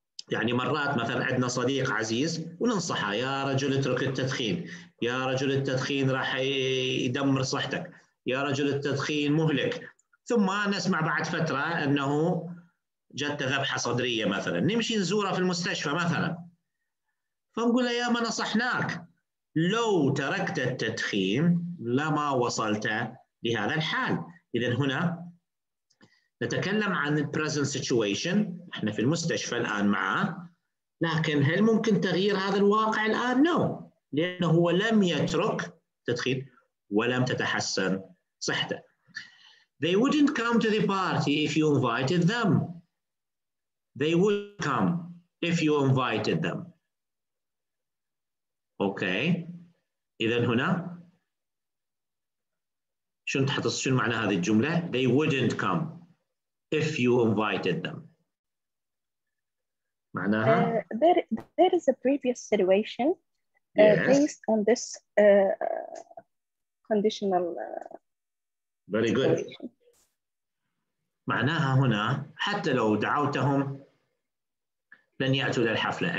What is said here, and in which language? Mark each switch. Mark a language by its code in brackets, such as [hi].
[ar] يعني مرات مثلا عندنا صديق عزيز وننصحه يا رجل اترك التدخين, يا رجل التدخين راح يدمر صحتك, يا رجل التدخين مهلك, ثم نسمع بعد فترة أنه جت ذبحة صدرية مثلا, نمشي نزوره في المستشفى مثلا, فنقول يا ما نصحناك, لو تركت التدخين لما وصلت لهذا الحال. إذن هنا نتكلم عن [en] the present situation, [ar] احنا في المستشفى الآن معه, لكن هل ممكن تغيير هذا الواقع الآن؟ نو, لأنه هو لم يترك التدخين ولم تتحسن صحته. [en] They wouldn't come to the party if you invited them. They would come if you invited them. Okay, [ar] إذن هنا شنو تحطص شنو معنى هذه الجملة؟ [en] They wouldn't come if you invited them. [ar] معناها؟ [en] There is a previous situation based on this conditional Very good. [ar] معناها هنا حتى لو دعوتهم لن يأتوا للحفلة.